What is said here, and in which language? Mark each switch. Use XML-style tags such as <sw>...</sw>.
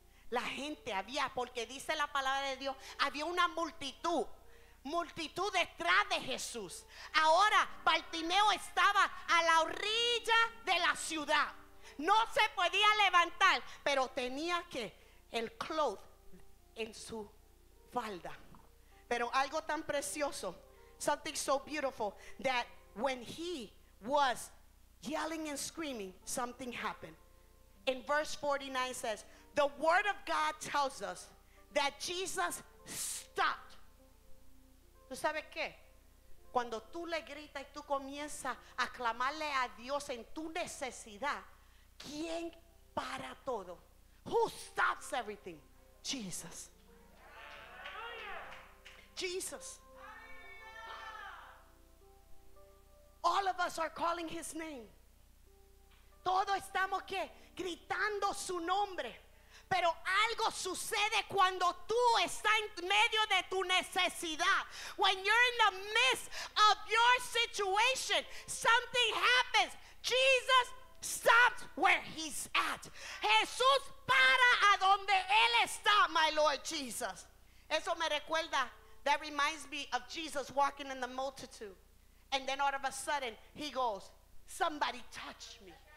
<es>La gente había, porque dice la palabra de Dios, había una multitud. Multitud detrás de Jesús. Ahora Bartimeo estaba a la orilla de la ciudad. No se podía levantar, pero tenía que el cloth en su falda. Pero algo tan precioso,</es> <en>something so beautiful, that when he was yelling and screaming, something happened. In verse 49 says, the word of God tells us that Jesus stopped.</en> <es>¿Tú sabes qué? Cuando tú le gritas y tú comienzas a clamarle a Dios en tu necesidad, ¿quién para todo?</es> <en>Who stops everything? Jesus. Jesus. All of us are calling his name.</en> <es>Todos estamos, ¿qué? Gritando su nombre. Pero algo sucede cuando tú estás en medio de tu necesidad.</es> <en>When you're in the midst of your situation, something happens. Jesus stops where he's at.</en> <es>Jesús para a donde él está,</es> <en>my Lord Jesus.</en> <es>Eso me recuerda,</es> <en>that reminds me of Jesus walking in the multitude. And then all of a sudden, he goes, somebody touch me.</en>